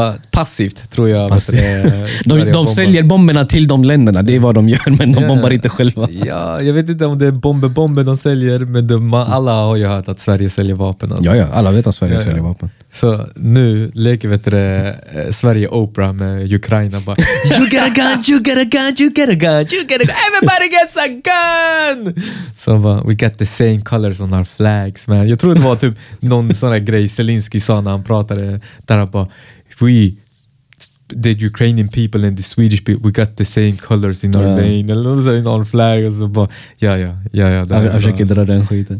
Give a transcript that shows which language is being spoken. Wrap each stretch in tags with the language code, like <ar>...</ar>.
<sv>Passivt, tror jag. De säljer bomberna till de länderna, det är vad de gör, men de bombar inte själva. Ja, jag vet inte om det är bomber de säljer, men alla har ju hört att Sverige säljer vapen. Alltså. Ja, alla vet att Sverige säljer vapen. Så nu leker Sverige Oprah med Ukraina.</sv> <en>Bara, you get a gun, you get a gun, you get a gun, you get a gun, everybody gets a gun!</en> <sv>Så bara,</sv> <en>we got the same colors on our flags, man.</en> <sv>Jag tror det var typ någon sån här grej Zelensky sa när han pratade, där han bara,</sv> <en>we, the Ukrainian people and the Swedish people, we got the same colors in our vein,</en> <sv>eller</sv> <en>in our flag,</en> <sv>och så bara, jag försöker dra den skiten.</sv>